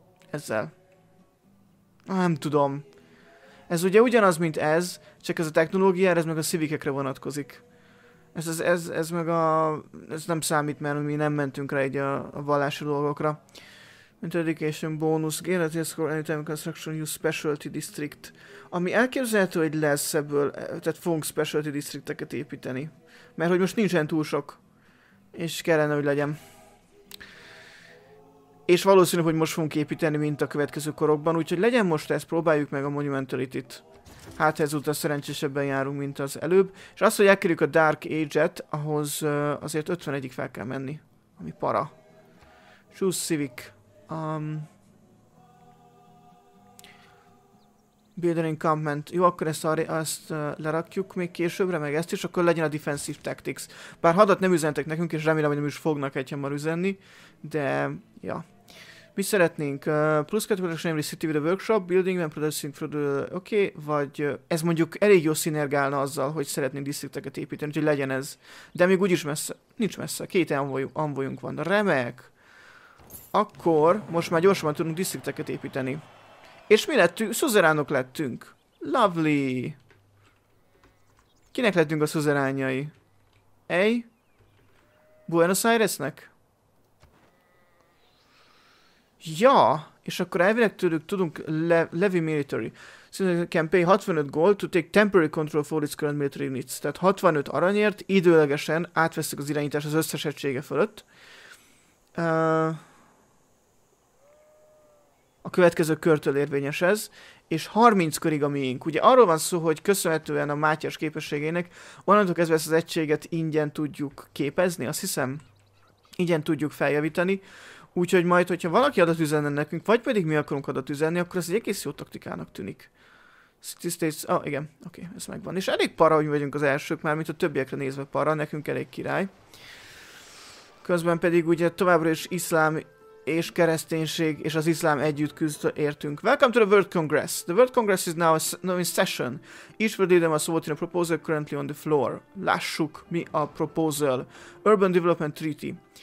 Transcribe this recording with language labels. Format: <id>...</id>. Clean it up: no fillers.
<hu>ezzel. Nem tudom. Ez ugye ugyanaz, mint ez, csak ez a technológia, ez meg a civikekre vonatkozik. Ez meg a... ez nem számít, mert mi nem mentünk rá így a vallási dolgokra.</hu> <en>Mint education bonus, guarantee score, anytime construction, use specialty district.</en> <hu>Ami elképzelhető, hogy lesz ebből, tehát fogunk specialty districteket építeni. Mert hogy most nincsen túl sok. És kellene, hogy legyen. És valószínű, hogy most fogunk építeni, mint a következő korokban, úgyhogy legyen most ezt, próbáljuk meg a Monumentality-t. Hát ezúttal szerencsésebben járunk, mint az előbb. És az, hogy elkerüljük a Dark Age-et, ahhoz azért 51-ig fel kell menni. Ami para.</hu> <en>Choose Civic.</en> <hu>Builder Encampment. Jó, akkor ezt lerakjuk még későbbre, meg ezt is, akkor legyen a Defensive Tactics. Bár hadat nem üzentek nekünk, és remélem, hogy nem is fognak egy hamar üzenni, de... ja. Mi szeretnénk?</hu> <en>Plusz 2 production every city with a workshop, building and producing for the...</en> <hu>oké, okay, vagy... ez mondjuk elég jó szinergálna azzal, hogy szeretnénk districteket építeni, úgyhogy legyen ez. De még úgyis messze. Nincs messze. 2 envoyunk van. Remek! Akkor most már gyorsan tudunk districteket építeni. És mi lettünk? Szuzeránok lettünk.</hu> <en>Lovely!</en> <hu>Kinek lettünk a szuzerányai? Ej? Buenos Airesnek? Ja, és akkor elvileg tőlük tudunk levy military.</hu> <en>Since I can pay 65 gold to take temporary control for its current military needs.</en> <hu>Tehát 65 aranyért időlegesen átveszik az irányítás az összes egysége fölött. A következő körtől érvényes ez, és 30 körig a miénk. Ugye arról van szó, hogy köszönhetően a Mátyás képességének, onnantól kezdve ezt az egységet ingyen tudjuk képezni, azt hiszem, ingyen tudjuk feljavítani. Úgyhogy majd, hogyha valaki adat üzenne nekünk, vagy pedig mi akarunk adat üzenni, akkor ez egy egész jó taktikának tűnik. City States, ah, igen, oké, okay, ez megvan. És elég para, hogy vagyunk az elsők már, mint a többiekre nézve para, nekünk elég király. Közben pedig ugye továbbra is iszlám és kereszténység és az iszlám együtt küzd értünk.</hu> <en>Welcome to the World Congress. The World Congress is now in session. Each world leader must vote in a proposal currently on the floor.</en> <hu>Lássuk, mi a proposal.</hu> <en>Urban Development Treaty.</en>